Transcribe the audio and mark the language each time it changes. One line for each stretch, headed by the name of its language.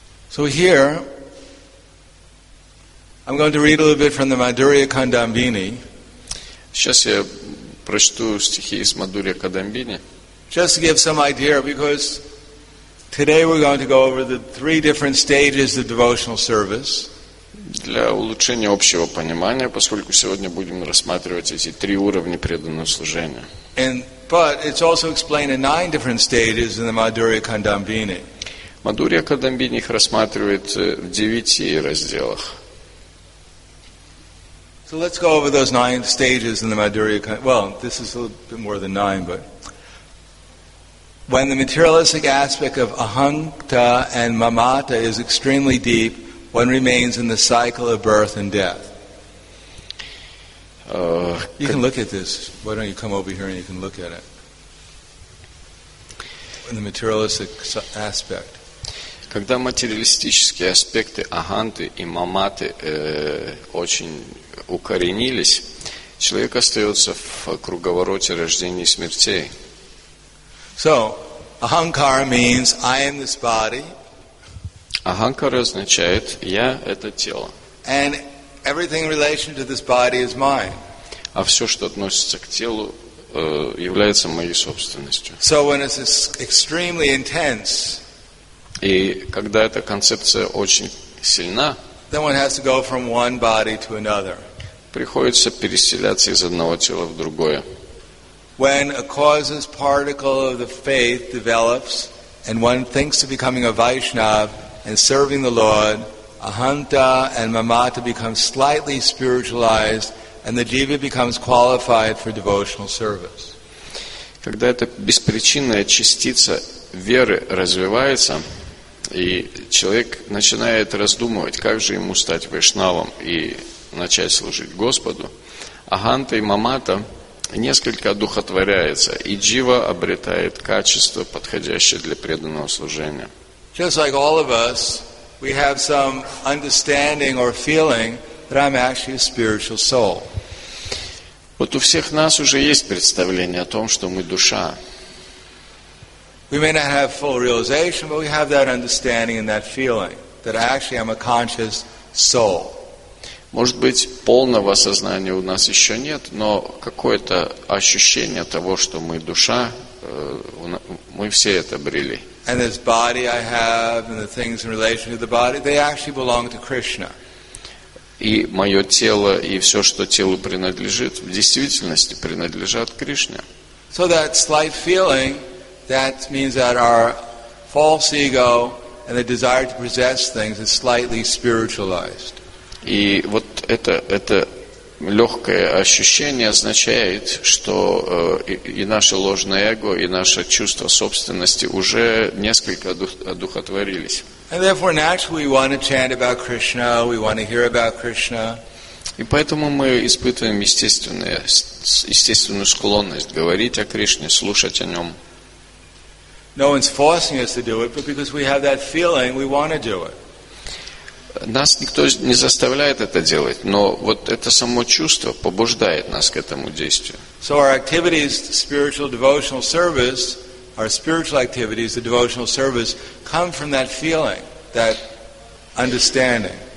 English: So here I'm going to read a little bit from the Madhurya Kadambini.
Russian: Сейчас я прочту стихи из Мадхурья Кадамбини.
English: Just to give some idea, because today we're going to go over the three different stages of devotional service.
Russian: Для улучшения общего понимания, поскольку сегодня будем рассматривать эти три уровня преданного служения.
English: But it's also explained in 9 different stages in the Madhurya Kadambini.
Russian: Мадхурья Кадамбини их рассматривает в 9 разделах.
English: So let's go over those 9 stages in the Madhurya Kadambini. Well, this is a little bit more than 9, but when the materialistic aspect of ahankta and mamata is extremely deep, one remains in the cycle of birth and death. You can look at this. Why don't you come over here and you can look at it? In the materialistic aspect.
Russian: Когда материалистические аспекты аханты и маматы очень укоренились, человек остается в круговороте рождения и смертей.
English: So, ahankara means I am this body.
Russian: Аханкара означает «я» — это тело.
English: And everything in relation to this body is mine.
Russian: А все, что относится к телу, является моей собственностью.
English: So when it's extremely intense,
Russian: и когда эта концепция очень сильна,
English: then one has to go from one body to another.
Russian: Приходится переселяться из одного тела в другое.
English: When a causes particle of the faith develops, and one thinks of becoming a Vaishnav, and serving the Lord, ahanta and mamata become slightly spiritualized, and the jiva becomes qualified for devotional service.
Russian: Когда эта беспричинная частица веры развивается, и человек начинает раздумывать, как же ему стать вайшнавом и начать служить Господу, аханта и мамата несколько одухотворяется, и джива обретает качество, подходящее для преданного служения.
English: Just like all of us, we have some understanding or feeling that I'm actually a spiritual soul.
Russian: Вот у всех нас уже есть представление о том, что мы душа.
English: We may not have full realization, but we have that understanding and that feeling that actually I'm a conscious soul.
Russian: Может быть, полного сознания у нас еще нет, но какое-то ощущение того, что мы душа, мы все это обрели.
English: And this body I have and the things in relation to the body, they actually belong to Krishna.
Russian: И мое тело и все, что телу принадлежит, в действительности принадлежат Кришне.
English: So that slight feeling, that means that our false ego and the desire to possess things is slightly spiritualized. И вот это легкое ощущение означает, что и наше ложное эго, и наше чувство собственности уже несколько одухотворились.
Russian: И поэтому мы испытываем естественную склонность говорить о Кришне, слушать о нем.
English: No one's forcing us to do it, but because we have that feeling, we want to do it.
Russian: Нас никто не заставляет это делать, но вот это само чувство побуждает нас к этому действию.
English: So our activities, spiritual devotional service, our spiritual activities, the devotional service, come from that feeling, that understanding.